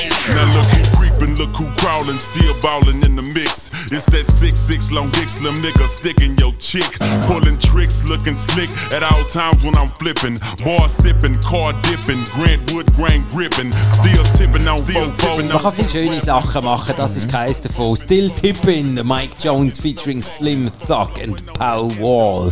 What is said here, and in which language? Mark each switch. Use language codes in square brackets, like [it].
[en] Now look who creepin', look who crawlin', still ballin' in the mix. It's that 6'6 long dick slim nigga sticking your chick. Pulling tricks, looking slick at all times when I'm flipping. Bar sipping, car dipping, Grant Wood grain gripping. Still tipping on still tipping. [de] Man kann viele schöne Sachen machen, das ist keins davon. [en] Still tipping, Mike Jones featuring Slim Thug and Pal Wall.